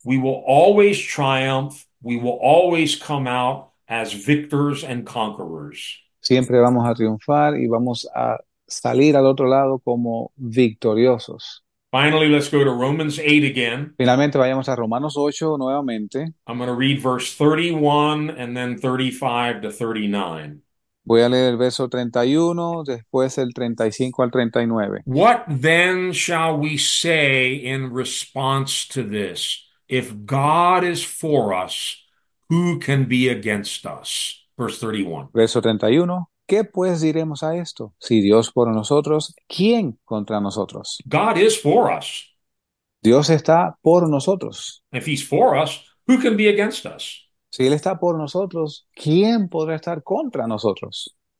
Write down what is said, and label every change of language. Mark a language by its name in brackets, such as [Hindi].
[English] We will always triumph. We will always come out as victors and conquerors. [Spanish] Siempre vamos a triunfar y vamos a salir al otro lado como victoriosos. [English] Finally, let's go to Romans 8 again. [Spanish] Finalmente vayamos a Romanos 8 nuevamente. [English] I'm going to read verse 31 and then 35 to 39. [Spanish] Voy a leer el verso 31, después el 35 al 39. [English] What then shall we say in response to this? If God is for us, who can be against us? Verse 31. [Spanish] Verso 31. ¿Qué pues diremos a esto? Si Dios por nosotros, ¿quién contra nosotros? [English] God is for us. [Spanish] Dios está por nosotros. [English] If he's for us, who can be against us? [Spanish] Si Él está por nosotros, ¿quién podrá estar contra nosotros?